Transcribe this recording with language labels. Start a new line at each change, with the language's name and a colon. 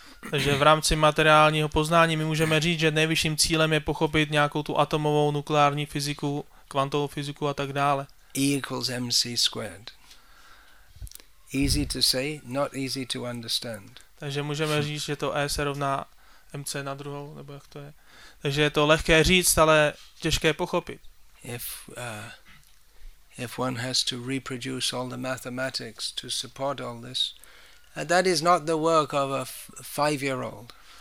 Czech: Takže v rámci materiálního poznání my můžeme říct, že nejvyšším cílem je pochopit nějakou tu atomovou, nukleární fyziku, kvantovou fyziku a tak dále.
English: E equals mc squared. Easy to say, not easy to understand.
Czech: Takže můžeme říct, že to E se rovná MC na druhou, nebo jak to je. Takže je to lehké říct, ale těžké pochopit.
English: If one has to reproduce all the mathematics to support all this, that is not the work of a five-year-old.